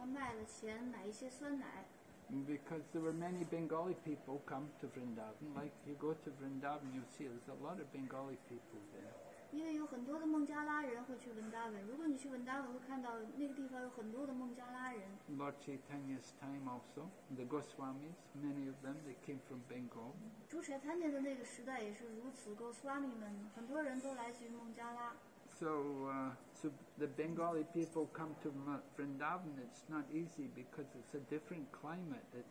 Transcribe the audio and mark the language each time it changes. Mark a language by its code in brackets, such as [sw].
[zh] 于是苏布利外去了文达文，他开始收集柴火，就像在这个地方，我们可以看到一些女士们，她们会捡一些干的树枝当柴火。苏布利外收集了这些之后，他卖了钱买一些酸奶。 [en] And because there were many Bengali people come to Vrindavan, like you go to Vrindavan, you see there's a lot of Bengali people there. [zh] 因为有很多的孟加拉人会去文达文，如果你去文达文，会看到那个地方有很多的孟加拉人。 [en] Lord Chaitanya's time also, the Goswamis, many of them, they came from Bengal. [zh] 朱柴坦尼的那个时代也是如此，Goswami们，很多人都来自于孟加拉。 [en] So the Bengali people come to Vrindavan, it's not easy because it's a different climate.